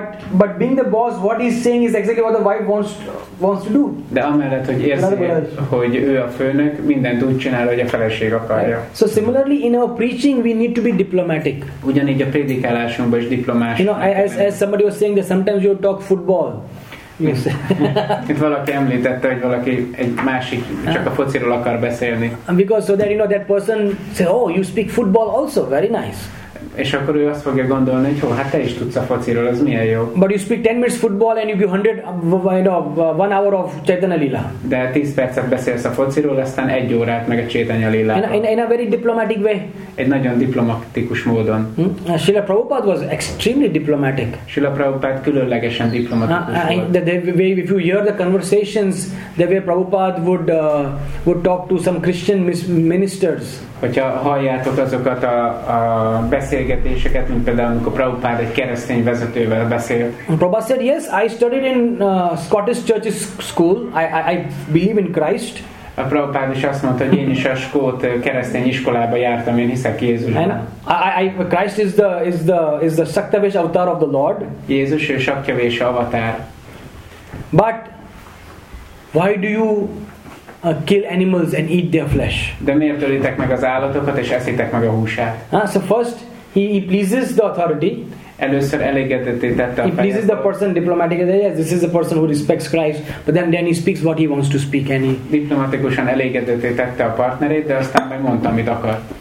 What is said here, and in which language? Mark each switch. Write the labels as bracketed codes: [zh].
[en] But being the boss, what he's saying is exactly what the wife wants to do. [hu] De amellett, hogy érzi, hogy ő a főnök, mindent úgy csinál, hogy a feleség akarja. [en] Right. So similarly, in our preaching, we need to be diplomatic. [hu] Ugyanígy a prédikálásunkban is diplomás. [en] You know, as somebody was saying that sometimes you talk football. Yes. [hu] Itt valaki említette, hogy valaki egy másik csak a fociról akar beszélni. [en] Because so that you know that person say, oh, you speak football also, very nice. [hu] És akkor ő azt fogja gondolni, hogy hát te is tudsz a fociról, az milyen jó. [en] But you speak 10 minutes football and you give 100, you know, 1 hour of Chaitanya Lila. [hu] De 10 percet beszélsz a fociról, aztán 1 órát meg a Chaitanya Lila. [en] In a very diplomatic way. [hu] Egy nagyon diplomatikus módon. [en] Srila Prabhupada was extremely diplomatic. [hu] Srila Prabhupada különlegesen diplomatikus volt. [en] If you hear the conversations, the way Prabhupada would talk to some Christian ministers. [hu] Hogyha halljátok azokat a beszélgetéseket, mint például amikor Prabhupada egy keresztény vezetővel beszélt. [en] Prabhupada said, yes, I studied in Scottish Church's school. I believe in Christ. [hu] A Prabhupada is azt mondta, hogy én is a skót keresztény iskolába jártam, én hiszek Jézusban. [en] Christ is the Saktavesh avatar of the Lord. [hu] Jézus ő Saktavesh avatar. [en] But why do you kill animals and eat their flesh? [hu] De miért ölitek meg az állatokat és eszitek meg a húsát? [en] So first he pleases the authority. [hu] Először elégedetté tette a fejet. [en] He pleases the person diplomatically. Yes, this is a person who respects Christ. But then he speaks what he wants to speak. And he [hu] diplomatikusan elégedetté tette a partnerét, de aztán megmondta, amit akart.